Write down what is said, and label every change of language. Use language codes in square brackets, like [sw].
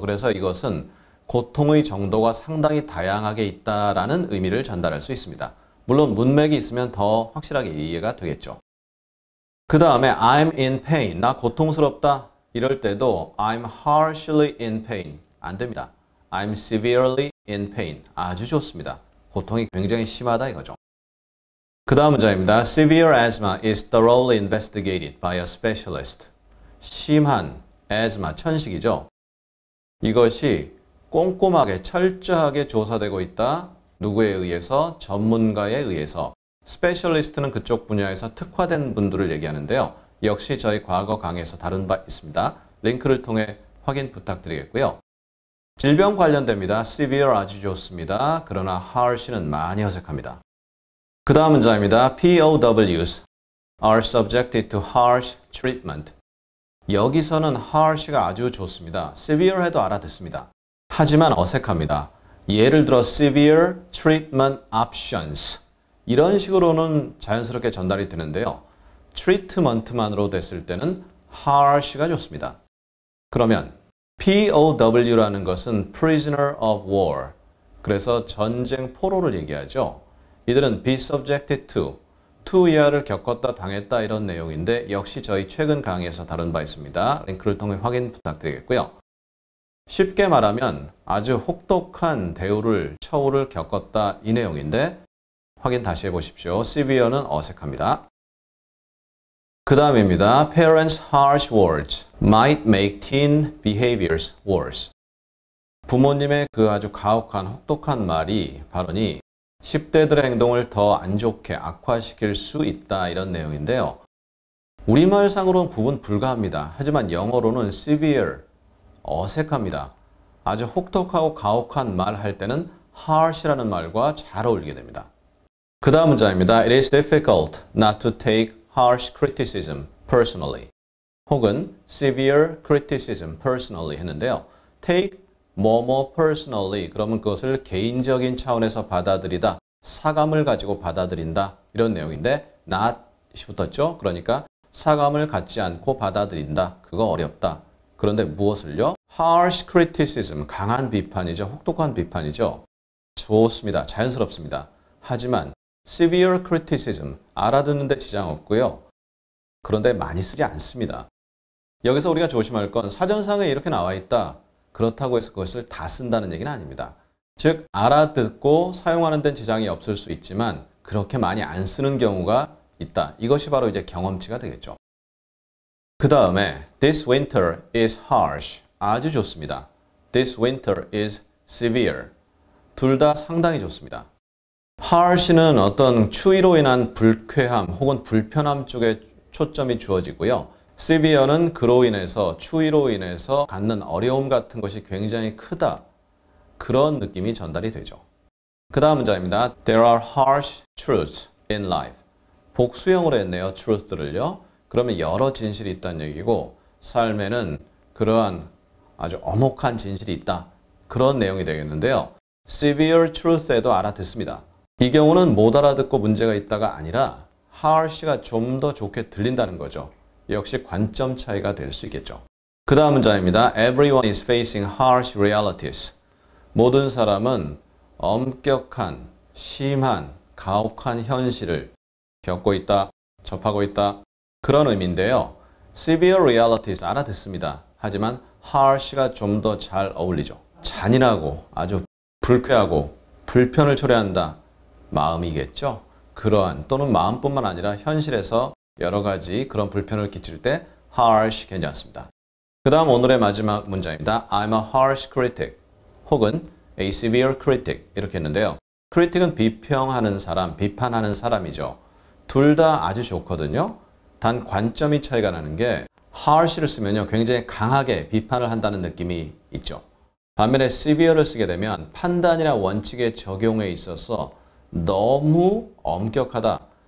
[ko] 그래서 이것은 고통의 정도가 상당히 다양하게 있다라는 의미를 전달할 수 있습니다. 물론 문맥이 있으면 더 확실하게 이해가 되겠죠. 그 다음에 [en] I'm in pain, [ko] 나 고통스럽다 이럴 때도 [en] I'm harshly in pain, [ko] 안 됩니다. [en] I'm severely in pain, [ko] 아주 좋습니다. 고통이 굉장히 심하다 이거죠. 그 다음 문장입니다. [en] Severe asthma is thoroughly investigated by a specialist. [ko] 심한 asthma, 천식이죠. 이것이 꼼꼼하게 철저하게 조사되고 있다. 누구에 의해서? 전문가에 의해서. 스페셜리스트는 그쪽 분야에서 특화된 분들을 얘기하는데요. 역시 저희 과거 강의에서 다룬 바 있습니다. 링크를 통해 확인 부탁드리겠고요. 질병 관련됩니다. Severe 아주 좋습니다. 그러나 harsh는 많이 어색합니다. 그 다음 문장입니다. [en] POWs are subjected to harsh treatment. [ko] 여기서는 harsh가 아주 좋습니다. Severe 해도 알아듣습니다. 하지만 어색합니다. 예를 들어 [en] severe treatment options. [ko] 이런 식으로는 자연스럽게 전달이 되는데요. treatment만으로 됐을 때는 harsh가 좋습니다. 그러면 POW라는 것은 [en] prisoner of war. [ko] 그래서 전쟁 포로를 얘기하죠. 이들은 [en] be subjected to [ko] 이하를 겪었다 당했다 이런 내용인데 역시 저희 최근 강의에서 다룬 바 있습니다. 링크를 통해 확인 부탁드리겠고요. 쉽게 말하면 아주 혹독한 대우를, 처우를 겪었다 이 내용인데 확인 다시 해보십시오. severe는 어색합니다. 그 다음입니다. [en] Parents' harsh words might make teen behaviors worse. [ko] 부모님의 그 아주 가혹한, 혹독한 말이 발언이 10대들의 행동을 더 안 좋게 악화시킬 수 있다 이런 내용인데요. 우리말상으로는 구분 불가합니다. 하지만 영어로는 severe, 어색합니다. 아주 혹독하고 가혹한 말 할 때는 harsh라는 말과 잘 어울리게 됩니다. 그 다음 문장입니다. [en] It is difficult not to take harsh criticism personally [ko] 혹은 [en] severe criticism personally [ko] 했는데요. take 뭐뭐 personally 그러면 그것을 개인적인 차원에서 받아들이다, 사감을 가지고 받아들인다 이런 내용인데 not이 붙었죠. 그러니까 사감을 갖지 않고 받아들인다, 그거 어렵다. 그런데 무엇을요? [en] harsh criticism [ko] 강한 비판이죠. 혹독한 비판이죠. 좋습니다. 자연스럽습니다. 하지만 [en] severe criticism [ko] 알아듣는데 지장 없고요. 그런데 많이 쓰지 않습니다. 여기서 우리가 조심할 건 사전상에 이렇게 나와 있다, 그렇다고 해서 그것을 다 쓴다는 얘기는 아닙니다. 즉, 알아듣고 사용하는 데는 지장이 없을 수 있지만 그렇게 많이 안 쓰는 경우가 있다. 이것이 바로 이제 경험치가 되겠죠. [en] 그 다음에 This winter is harsh. [ko] 아주 좋습니다. [en] This winter is severe. [ko] 둘 다 상당히 좋습니다. Harsh는 어떤 추위로 인한 불쾌함 혹은 불편함 쪽에 초점이 주어지고요. Severe는 그로 인해서 추위로 인해서 갖는 어려움 같은 것이 굉장히 크다. 그런 느낌이 전달이 되죠. 그 다음 문장입니다. [en] There are harsh truths in life. [ko] 복수형으로 했네요. truth를요. 그러면 여러 진실이 있다는 얘기고 삶에는 그러한 아주 엄혹한 진실이 있다. 그런 내용이 되겠는데요. Severe truth에도 알아듣습니다. 이 경우는 못 알아듣고 문제가 있다가 아니라 harsh가 좀 더 좋게 들린다는 거죠. 역시 관점 차이가 될 수 있겠죠. 그 다음 문장입니다. [en] Everyone is facing harsh realities. [ko] 모든 사람은 엄격한, 심한, 가혹한 현실을 겪고 있다, 접하고 있다. 그런 의미인데요. [en] Severe realities [ko] 알아듣습니다. 하지만 harsh가 좀 더 잘 어울리죠. 잔인하고 아주 불쾌하고 불편을 초래한다. 마음이겠죠. 그러한 또는 마음뿐만 아니라 현실에서 여러 가지 그런 불편을 끼칠 때 harsh 괜찮습니다. 그 다음 오늘의 마지막 문장입니다. [en] I'm a harsh critic [ko] 혹은 [en] a severe critic [ko] 이렇게 했는데요. critic은 비평하는 사람, 비판하는 사람이죠. 둘 다 아주 좋거든요. 단 관점이 차이가 나는 게 harsh를 쓰면요. 굉장히 강하게 비판을 한다는 느낌이 있죠. 반면에 severe를 쓰게 되면 판단이나 원칙의 적용에 있어서 너무 엄격하다.